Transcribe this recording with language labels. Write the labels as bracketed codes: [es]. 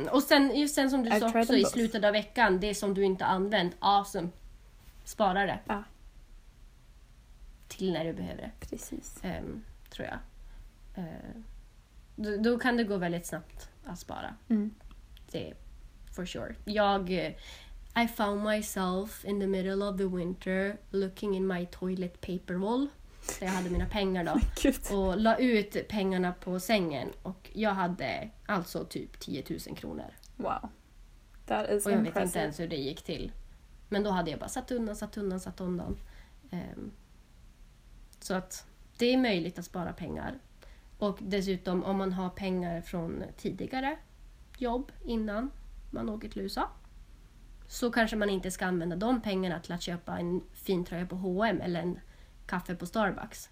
[sv] och sen, just sen som du sa också i slutet av veckan, det som du inte använt, awesome. Spara det. Ja. Till när du behöver det. Precis. Tror jag. Då kan det gå väldigt snabbt att spara. Mm. Det är [en] for sure. Jag, I found myself in the middle of the winter looking in my toilet paper roll. [sv] Där jag hade mina pengar då. Och la ut pengarna på sängen. Och jag hade alltså typ 10 000 kronor. [en] Wow. That is impressive. [sv] Och jag vet inte ens hur det gick till. Men då hade jag bara satt undan. Så att det är möjligt att spara pengar. Och dessutom om man har pengar från tidigare jobb innan man åker till USA, så kanske man inte ska använda de pengarna till att köpa en fin tröja på H&M eller en kaffe på Starbucks.